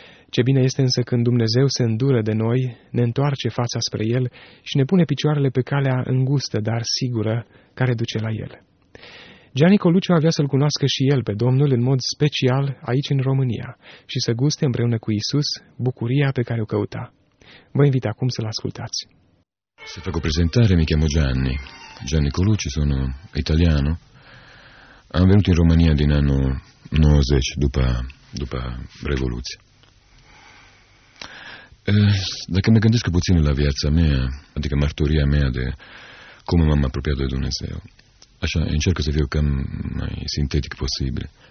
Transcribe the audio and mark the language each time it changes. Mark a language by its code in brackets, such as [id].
[ro] Ce bine este însă când Dumnezeu se îndură de noi, ne întoarce fața spre El și ne pune picioarele pe calea îngustă, dar sigură, care duce la El. Gianni Coluccio avea să-L cunoască și el pe Domnul în mod special aici în România și să guste împreună cu Iisus bucuria pe care o căuta. Vă invit acum să-L ascultați. Să fac o prezentare, [it] mi chiamo Gianni. Gianni Coluccio, sono italiano. [ro] Am venit în România din anul 90, după Revoluție. Dacă mă gândesc puțin la viața mea, adică mărturia mea de cum m-am apropiat de Dumnezeu, așa, încerc să fiu cam mai sintetic posibil.